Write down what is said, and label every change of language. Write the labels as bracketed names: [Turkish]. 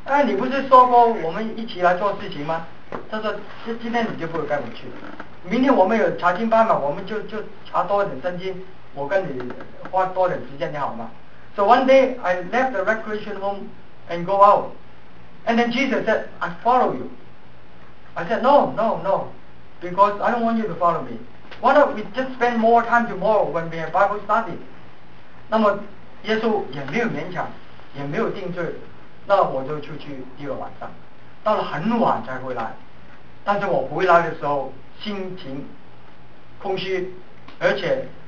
[Chinese] 你不是说过我们一起来做事情吗？他说今天你就不会跟我去。明天我们有查经班嘛，我们就查多点圣经， 我跟你花多点时间，你好吗？ [English] So one day I left the recreation home and go out. And then Jesus said, I follow you. I said, no, because I don't want you to follow me. Why don't we just spend more time tomorrow when we have Bible study? [Chinese] 那么 耶稣也没有勉强，也没有定罪，那我就出去第二晚上。到了很晚才回来，但是我回来的时候心情空虚，而且